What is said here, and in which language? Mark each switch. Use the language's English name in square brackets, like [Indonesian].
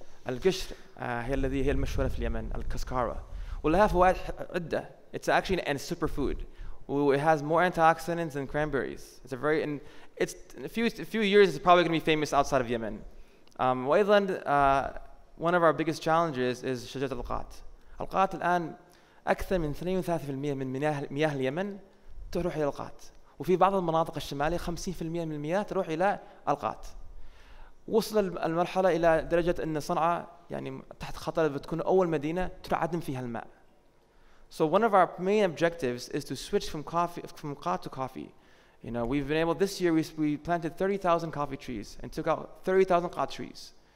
[Arabic] القشر هي المشهوره في اليمن, الكسكارا, ولها فوائد عده. [English] It's actually an super food. It has more antioxidants than cranberries. In a few years it's probably going to be famous outside of Yemen. [Arabic] وايضا [English] one of our biggest challenges is [Arabic] شجرة القات. القات الآن أكثر من 32% من مياه اليمن تروح إلى القات, وفي بعض المناطق الشمالية 50% من المياه تروح إلى القات. وصل المرحلة إلى درجة أن صنعاء يعني تحت خطر بتكون أول مدينة تعدم فيها الماء. [English] So one of our main objectives is to switch from khat to coffee. You know, we've been able this year we planted 30,000 coffee trees and took out 30,000 khat trees.